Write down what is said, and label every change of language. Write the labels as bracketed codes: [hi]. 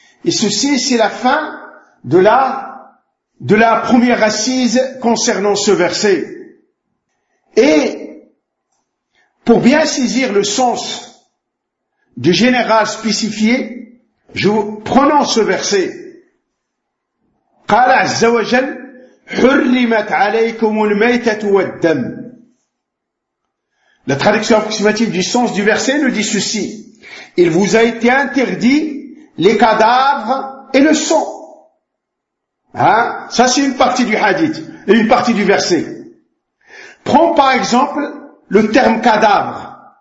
[fr] Et ceci, c'est la fin de la première assise concernant ce verset. Et pour bien saisir le sens du général spécifié, je vous prononce ce verset. [ar] Qala azza wa jal حرمت عليكم الميتة والدم. [fr] La traduction approximative du sens du verset nous dit ceci. Il vous a été interdit les cadavres et le sang. Hein? Ça c'est une partie du hadith et une partie du verset. Prends par exemple le terme cadavre.